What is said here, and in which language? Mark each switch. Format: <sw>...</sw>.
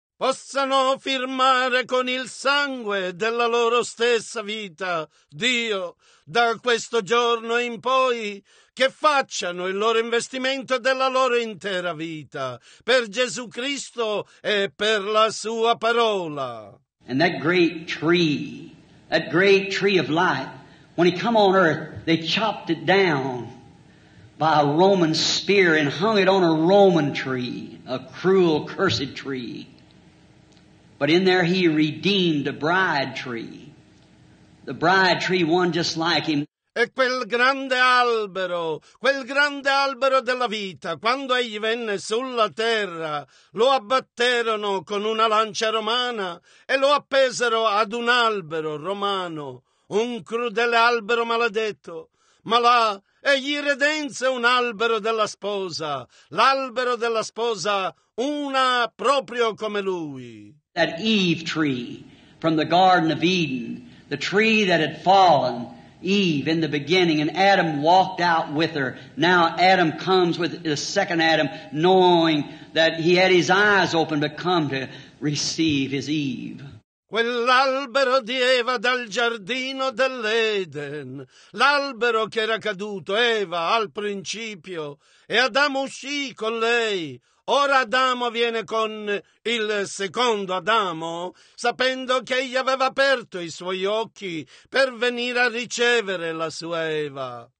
<it>Possano firmare con il sangue della loro stessa vita, Dio, da questo giorno in poi, che facciano il loro investimento della loro intera vita per Gesù Cristo e per la sua parola.</it> <en>And that great tree of life, when he come on earth, they chopped it down by a Roman spear and hung it on a Roman tree, a cruel, cursed tree. But in there he redeemed a bride tree. The bride tree, one just like him.</en> <it>E quel grande albero della vita, quando egli venne sulla terra, lo abbatterono con una lancia romana e lo appesero ad un albero romano, un crudele albero maledetto. ma là è irredenza un albero della sposa, l'albero della sposa, una proprio come lui.</it> <en>That Eve tree from the Garden of Eden, the tree that had fallen, Eve in the beginning, and Adam walked out with her. Now Adam comes with the second Adam, knowing that he had his eyes open to come to receive his Eve.</en> <it>Quell'albero di Eva dal giardino dell'Eden, l'albero che era caduto, Eva, al principio, e Adamo uscì con lei. Ora Adamo viene con il secondo Adamo, sapendo che egli aveva aperto i suoi occhi per venire a ricevere la sua Eva.</it>